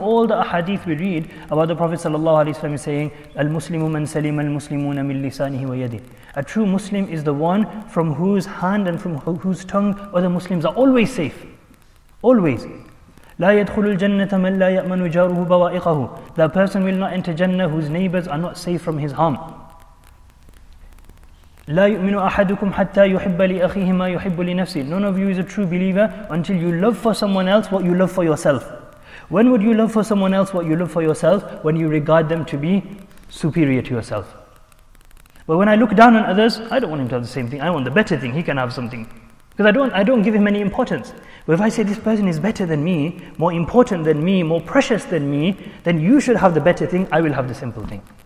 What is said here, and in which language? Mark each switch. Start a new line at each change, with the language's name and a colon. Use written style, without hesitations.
English: All the ahadith we read about the Prophet sallallahu alaihi wasallam saying,
Arabic: Al-Muslimu man salima al-Muslimuna min lisanihi wa yadi.
English: A true Muslim is the one from whose hand and from whose tongue other Muslims are always safe. Always.
Arabic: La yadkhulu al-jannata man la ya'manu jaruhu bawa'iqahu.
English: That person will not enter Jannah whose neighbors are not safe from his harm.
Arabic: لا يؤمن أحدكم حتى يحب لأخيه ما يحب لنفسه.
English: None of you is a true believer until you love for someone else what you love for yourself. When would you love for someone else what you love for yourself? When you regard them to be superior to yourself. But when I look down on others, I don't want him to have the same thing. I want the better thing. He can have something. Because I don't give him any importance. But if I say this person is better than me, more important than me, more precious than me, then you should have the better thing. I will have the simple thing.